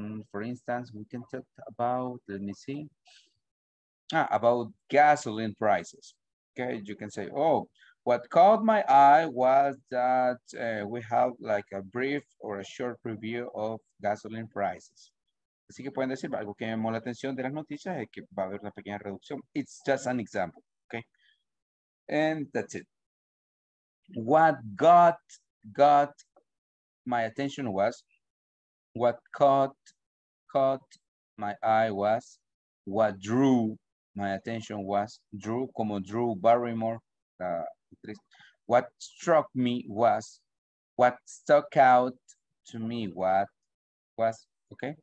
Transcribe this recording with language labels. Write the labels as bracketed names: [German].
[English] For instance, we can talk about, let me see, about gasoline prices. Okay, you can say, oh, what caught my eye was that we have like a brief or a short review of gasoline prices. [Spanish] Así que pueden decir, algo que me llamó la atención de las noticias es que va a haber una pequeña reducción. [English] It's just an example, okay? And that's it. What got my attention was, what caught my eye was, what drew my attention was, drew, como Drew Barrymore, what struck me was, what stuck out to me was, okay?